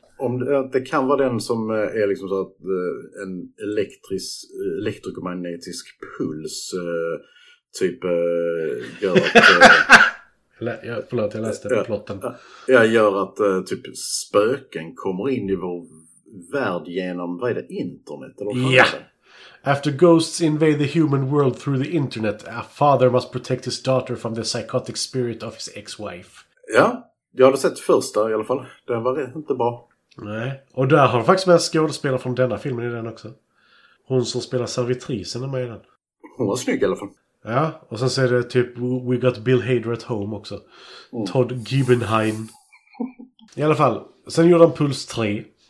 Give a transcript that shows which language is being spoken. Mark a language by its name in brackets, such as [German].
[Swedish] Om det kan vara den som är liksom så att en elektromagnetisk puls typ gör att... förlåt, jag läste den plotten. Jag gör att typ spöken kommer in i vår värld genom, vad är det, internet? Ja! [English] After ghosts invade the human world through the internet, a father must protect his daughter from the psychotic spirit of his ex-wife. [Swedish] Ja, jag hade sett första i alla fall. Den var inte bra. Nej, och där har du faktiskt med en skådespelare från denna filmen i den också. Hon som spelar servitrisen är med i den. Hon var snygg i alla fall. Ja, och sen säger det typ [English] We got Bill Hader at home [Swedish] också. Todd Guggenheim. I alla fall, sen gjorde han Pulse 3.